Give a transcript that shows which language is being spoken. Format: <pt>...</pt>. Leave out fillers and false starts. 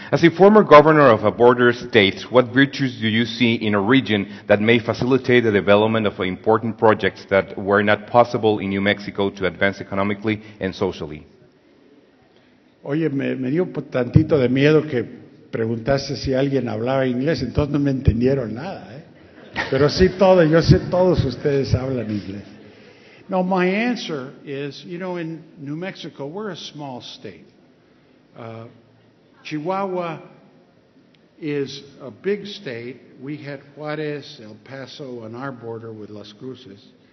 <en>As a former governor of a border state, what virtues do you see in a region that may facilitate the development of important projects that were not possible in New Mexico to advance economically and socially?</en> <es>Oye, me dio tantito de miedo que preguntase si alguien hablaba inglés, entonces no me entendieron nada. Pero sí, todo, yo sé todos ustedes hablan inglés.</es> <en>No, my answer is, you know, in New Mexico, we're a small state. Chihuahua is a big state. We had Juarez, El Paso on our border with Las Cruces.</en>